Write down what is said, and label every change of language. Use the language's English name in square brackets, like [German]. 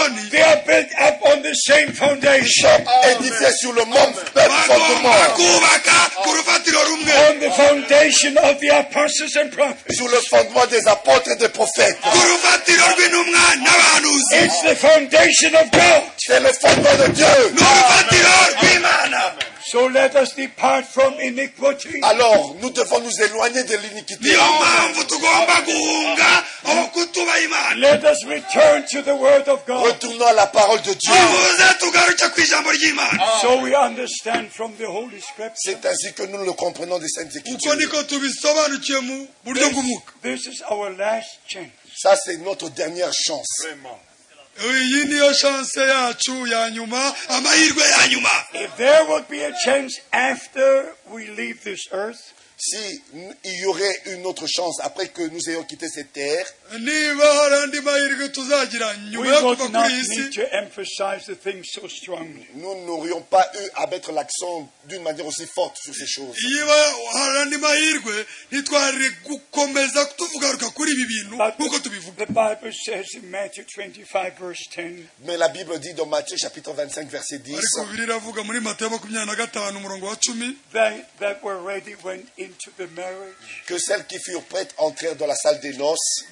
[English] They are built up on the same foundation. [French] Édifié sur le même fondement. [English] On the foundation of the apostles and prophets. [French] Sur le fondement des apôtres et des prophètes. [English] It's the foundation of God. [French] C'est le fondement de Dieu. [English] So let us depart from iniquity. [French] Alors, nous devons nous éloigner de l'iniquité. [English] Let us return to the word of God. [French] Retournons à la parole de Dieu. [English] So we understand from the Holy Scripture. [French] C'est ainsi que nous le comprenons des Saintes Écritures. [English] This is our last chance. [French] Ça, c'est notre dernière chance. Vraiment. [English] If there would be a chance after we leave this earth, [French] si il y aurait une autre chance après que nous ayons quitté cette terre, [English] we would not need to emphasize the things so strongly. [French] Nous n'aurions pas eu à mettre l'accent d'une manière aussi forte sur ces choses. [English] But the Bible says in Matthew 25:10. [French] Mais la Bible dit dans Matthieu 25:10. [English] They that were ready went into the marriage. [French] Que celles qui furent prêtes entrèrent dans la salle des noces.